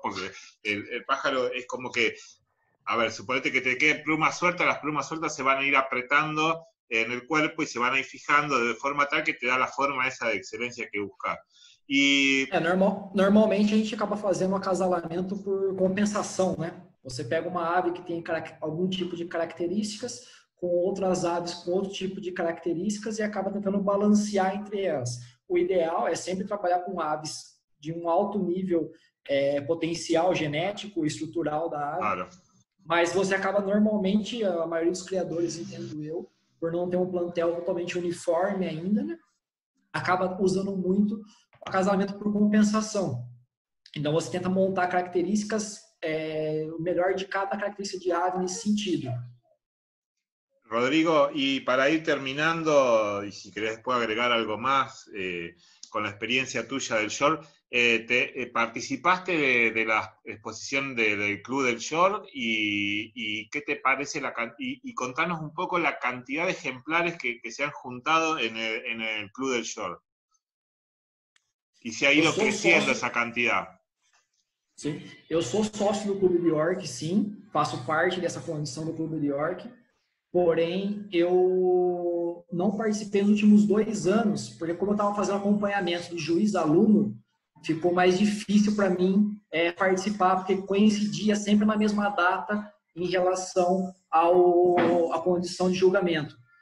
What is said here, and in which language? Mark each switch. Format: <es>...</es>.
<es>Porque el pájaro es como que, a ver, suponete que te quede pluma suelta, las plumas sueltas se van a ir apretando en el cuerpo y se van a ir fijando de forma tal que te da la forma esa de excelencia que buscas. Y...</es> <pt>Normalmente a gente acaba haciendo acasalamiento por compensación, ¿no? Você pega uma ave que tem algum tipo de características com outras aves com outro tipo de características e acaba tentando balancear entre elas. O ideal é sempre trabalhar com aves de um alto nível potencial genético e estrutural da ave. Claro. Mas você acaba normalmente, a maioria dos criadores, entendo eu, por não ter um plantel totalmente uniforme ainda, né, acaba usando muito acasalamento por compensação. Então você tenta montar características, o melhor de cada característica de ave nesse sentido.</pt> <es>Rodrigo,</es> <pt>e para ir terminando, e se quiser depois agregar algo mais, com a experiência</pt> <es>tuya del Shore, participaste de la exposición del Club del Shore y qué te parece y contanos un poco la cantidad de ejemplares que se han juntado en el Club del Shore. Y si ha ido creciendo esa cantidad. Sí, yo soy socio del Club de York, sí,</es> <pt>faço parte de</pt> <es>esa condición del Club de York.</es> <pt>Porém, eu não participei nos últimos 2 anos, porque como eu estava fazendo acompanhamento do juiz aluno, ficou mais difícil para mim participar, porque coincidia sempre na mesma data em relação à condição de julgamento.</pt>